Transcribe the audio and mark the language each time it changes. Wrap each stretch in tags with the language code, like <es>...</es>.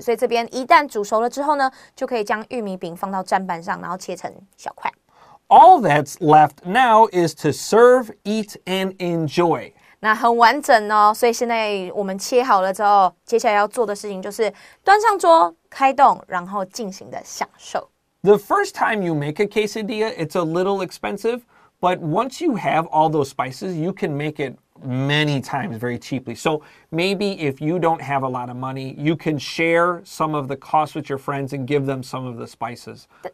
<zh>所以这边一旦煮熟了之后呢，就可以将玉米饼放到砧板上，然后切成小块。</zh> <en>All that's left now is to serve, eat, and enjoy.</en> <zh>那很完整哦。所以现在我们切好了之后，接下来要做的事情就是端上桌，开动，然后尽情的享受。</zh> <en>The first time you make a quesadilla, it's a little expensive. But once you have all those spices, you can make it many times very cheaply. So maybe if you don't have a lot of money, you can share some of the cost with your friends and give them some of the spices.</en>